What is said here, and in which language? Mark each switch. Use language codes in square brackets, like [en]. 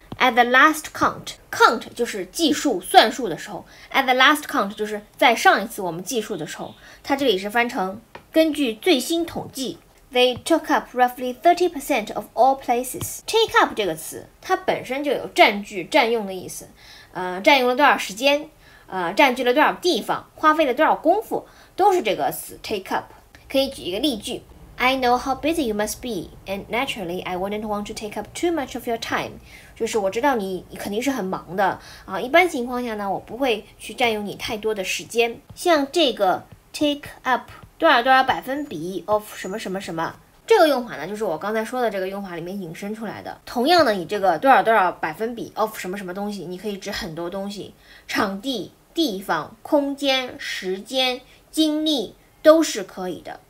[en] At the last count， [zh] count 就是计数、算数的时候， at the last count 就是在上一次我们计数的时候，它这里是翻成根据最新统计， [en] they took up roughly 30% of all places。 [zh] take up 这个词它本身就有占据、占用的意思，占用了多少时间，占据了多少地方，花费了多少功夫，都是这个词 take up。 [en] 可以举一个例句，I know how busy you must be, and naturally, I wouldn't want to take up too much of your time. [zh] 就是我知道你肯定是很忙的啊，一般情况下呢，我不会去占用你太多的时间。像这个 take up 多少多少百分比 of 什么什么什么，这个用法呢，就是我刚才说的这个用法里面引申出来的。同样的，你这个多少多少百分比 of 什么什么东西，你可以指很多东西，场地、地方、空间、时间、精力都是可以的。